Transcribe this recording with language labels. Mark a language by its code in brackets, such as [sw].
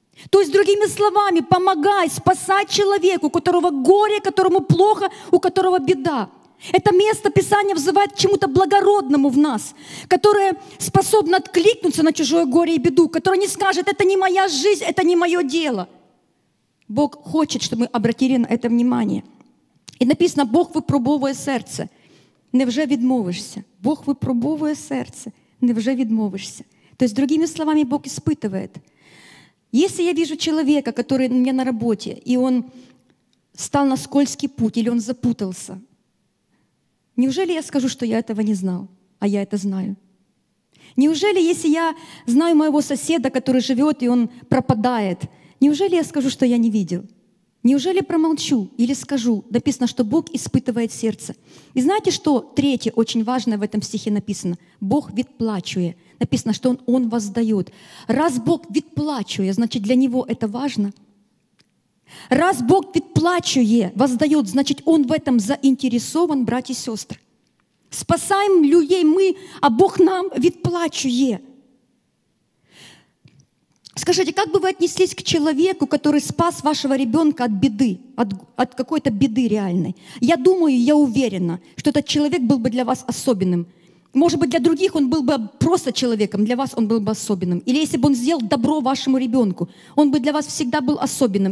[ru] То есть, другими словами, помогай, спасай человеку, у которого горе, которому плохо, у которого беда. Это место Писания взывает к чему-то благородному в нас, которое способно откликнуться на чужое горе и беду, которое не скажет, это не моя жизнь, это не мое дело. Бог хочет, чтобы мы обратили на это внимание. И написано, [uk] Бог випробовує серце, невже відмовишся. Бог випробовує серце, невже відмовишся. [ru] То есть, другими словами, Бог испытывает. Если я вижу человека, который у меня на работе, и он стал на скользкий путь, или он запутался, неужели я скажу, что я этого не знал, а я это знаю? Неужели, если я знаю моего соседа, который живет, и он пропадает, неужели я скажу, что я не видел? Неужели промолчу или скажу? Написано, что Бог испытывает сердце. И знаете, что третье очень важное в этом стихе написано? Бог ветплачуя. Написано, что он воздает. Раз Бог ветплачуя, значит, для него это важно. Раз Бог [uk] відплачує, [ru] воздає, значит, Он в этом заинтересован, братья и сестры. Спасаем людей мы, а Бог нам [uk] відплачує. [ru] Скажите, как бы вы отнеслись к человеку, который спас вашего ребенка от беды, от какой-то беды реальной? Я думаю, я уверена, что этот человек был бы для вас особенным. Может быть, для других он был бы просто человеком, для вас он был бы особенным. Или если бы он сделал добро вашему ребенку, он бы для вас всегда был особенным.